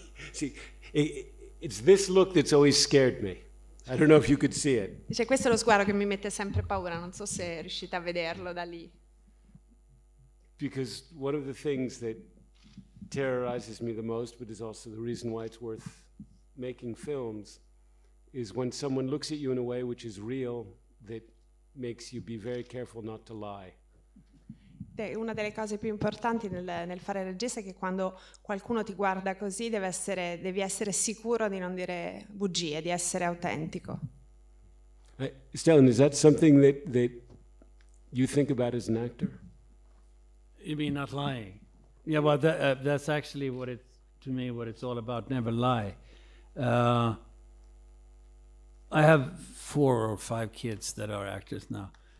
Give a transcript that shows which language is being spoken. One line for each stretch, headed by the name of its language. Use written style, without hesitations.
English: See, it's this look that's always scared me. I don't know if you could see it.
Italian: Dice, questo è lo sguardo che mi mette sempre paura, non so se riuscite a vederlo da lì.
English: Because one of the things that terrorizes me the most, but is also the reason why it's worth making films, is when someone looks at you in a way which is real, that makes you be very careful not to lie.
Italian: Una delle cose più importanti nel fare regista è che quando qualcuno ti guarda così devi essere sicuro di non dire bugie, di essere autentico.
English: Stellan, is that something that you think about as an actor? You mean not lying? Yeah, well, that's actually what it's, to me, what it's all about, never lie. I have 4 or 5 kids that are actors now.